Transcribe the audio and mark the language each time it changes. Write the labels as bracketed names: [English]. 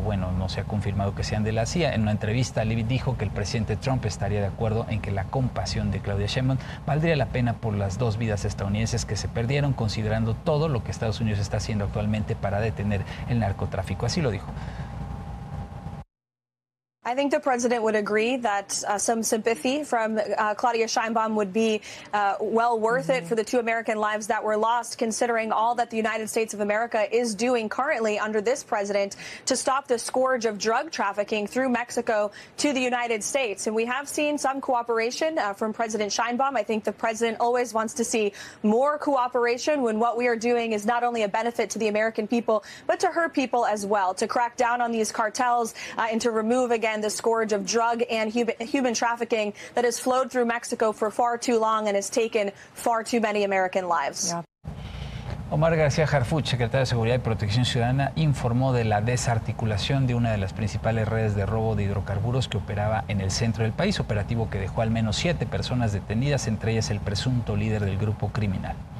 [Spanish] Bueno, no se ha confirmado que sean de la CIA. En una entrevista, Leavitt dijo que el presidente Trump estaría de acuerdo en que la compasión de Claudia Sheinbaum valdría la pena por las dos vidas estadounidenses que se perdieron, considerando todo lo que Estados Unidos está haciendo actualmente para detener el narcotráfico. Así lo dijo. A [English] I think the president would agree that some sympathy from Claudia Sheinbaum would be well worth it for the two American lives that were lost, considering all that the United States of America is doing currently under this president to stop the scourge of drug trafficking through Mexico to the United States. And we have seen some cooperation from President Sheinbaum. I think the president always wants to see more cooperation when what we are doing is not only a benefit to the American people, but to her people as well, to crack down on these cartels and to remove, again, the scourge of drug and human trafficking that has flowed through Mexico for far too long and has taken far too many American lives. Yeah. [Spanish] Omar García Harfuch, secretario de Seguridad y Protección Ciudadana, informó de la desarticulación de una de las principales redes de robo de hidrocarburos que operaba en el centro del país, operativo que dejó al menos 7 personas detenidas, entre ellas el presunto líder del grupo criminal.